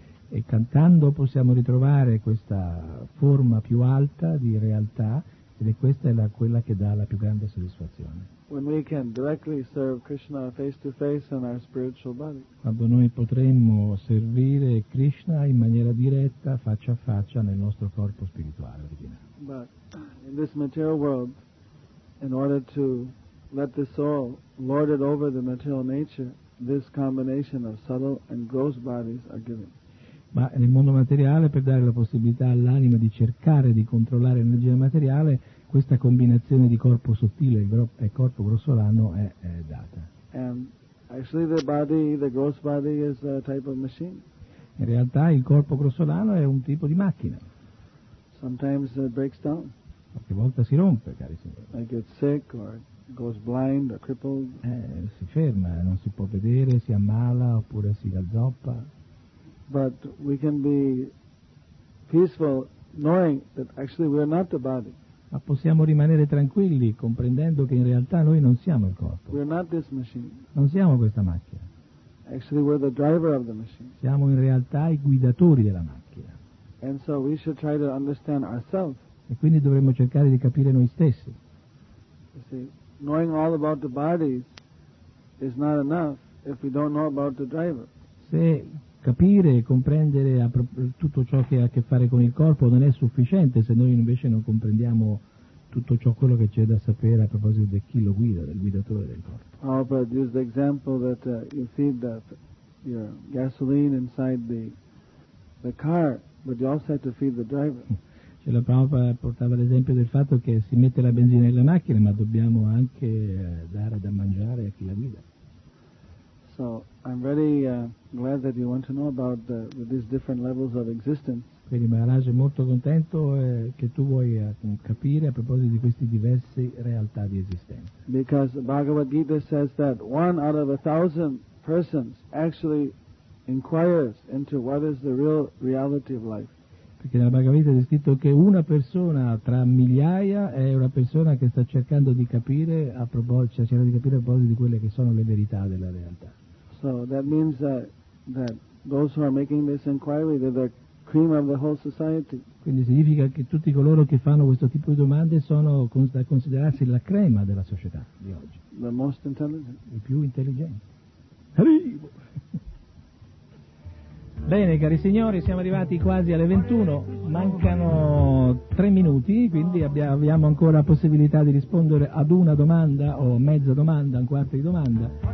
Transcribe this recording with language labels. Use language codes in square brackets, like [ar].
[it] E cantando possiamo ritrovare questa forma più alta di realtà, ed è questa è quella che dà la più grande soddisfazione. [en] When we can directly serve Krishna face to face in our spiritual body. [it] Quando noi potremmo servire Krishna in maniera diretta, faccia a faccia, nel nostro corpo spirituale. [en] But in this material world, in order to let the soul lord it over the material nature, this combination of subtle and gross bodies are given. [it] Ma nel mondo materiale, per dare la possibilità all'anima di cercare di controllare l'energia materiale, questa combinazione di corpo sottile e corpo grossolano è data. [en] And actually the body, the gross body is a type of machine. [it] In realtà il corpo grossolano è un tipo di macchina. [en] Sometimes it breaks down. [it] Qualche volta si rompe, cari signori. [en] I get sick or goes blind or crippled. [it] Si ferma, non si può vedere, si ammala oppure si raggoppa. [en] But we can be peaceful knowing that actually we are not the body. [it] Ma possiamo rimanere tranquilli comprendendo che in realtà noi non siamo il corpo. [en] We are not this machine. [it] Non siamo questa macchina. [en] Actually we're the driver of the machine. [it] Siamo in realtà i guidatori della macchina. [en] And so we should try to understand ourselves. [it] E quindi dovremmo cercare di capire noi stessi. [en] You see, knowing all about the body is not enough if we don't know about the driver. [it] Se capire e comprendere tutto ciò che ha a che fare con il corpo non è sufficiente se noi invece non comprendiamo tutto ciò quello che c'è da sapere a proposito di chi lo guida, del guidatore del corpo. [en] Prabhupada used the example that you feed that your gasoline inside the car, but you also have to feed the driver. [it] Cioè la Prabhupada portava l'esempio del fatto che si mette la benzina nella macchina, ma dobbiamo anche dare da mangiare a chi la guida. [en] So I'm very glad that you want to know about these different levels of existence. [it] Quindi Maharaj è molto contento che tu vuoi capire a proposito di queste diverse realtà di esistenza. [en] Because Bhagavad Gita says that one out of 1,000 persons actually inquires into what is the real reality of life. [it] Perché nella Bhagavad Gita è scritto che una persona tra migliaia è una persona che sta cercando di capire a proposito, cioè cerca di capire a proposito di quelle che sono le verità della realtà. [en] So that means that those who are making this inquiry, they're the cream of the whole society. [it] Quindi significa che tutti coloro che fanno questo tipo di domande sono da considerarsi la crema della società di oggi. [en] The most intelligent. [it] I più intelligenti. Arrivo! Bene, cari signori, siamo arrivati quasi alle 21, mancano 3 minuti, quindi abbiamo ancora possibilità di rispondere ad una domanda o mezza domanda, un quarto di domanda.